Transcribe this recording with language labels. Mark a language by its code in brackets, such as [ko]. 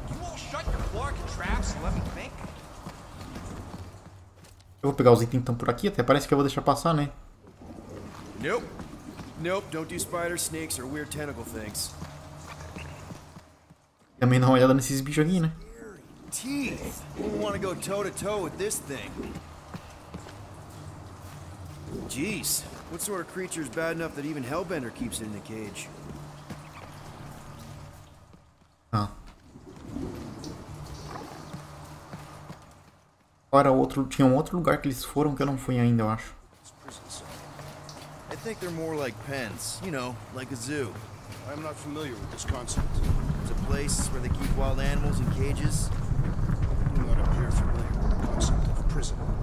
[en] You all shut your Clark traps and let me think. [pt] Eu vou pegar os itens então por aqui, até parece que eu vou deixar passar, né? [en] Nope. Nope, don't do spider snakes or weird tentacle things. [pt] Também dá uma olhada nesses bichos aqui, né? [en] Teeth. Who wanna go toe-to-toe with this thing? Jeez, what sort of creature is bad enough that even Hellbender keeps it in the cage? [pt] Agora outro, tinha um outro lugar que eles foram que eu não fui ainda, eu acho. [en] I think they're more like pens, you know, like a zoo. I'm not familiar with this concept. It's a place where they keep wild animals in cages. You're not familiar with the concept of prison.